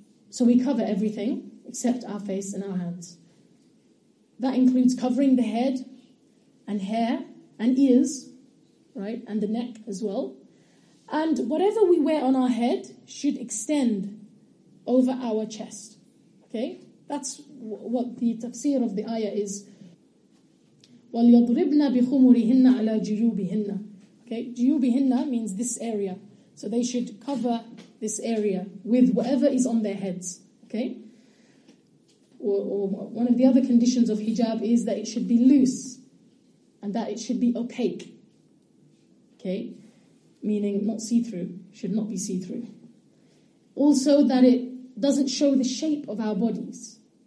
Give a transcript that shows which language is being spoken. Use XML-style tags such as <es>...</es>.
<en>So we cover everything except our face and our hands. That includes covering the head and hair and ears, right? And the neck as well. And whatever we wear on our head should extend over our chest, okay? That's what the tafsir of the ayah is.</en> <ar>وَلْيَضْرِبْنَا بِخُمُرِهِنَّ عَلَى جُيُوبِهِنَّ.</ar> <en>Okay,</en> <ar>جُيُوبِهِنَّ</ar> <en>means this area. So they should cover this area with whatever is on their heads. Okay? Or one of the other conditions of hijab is that it should be loose and that it should be opaque. Okay? Meaning not see-through, should not be see-through. Also that it doesn't show the shape of our bodies.</en>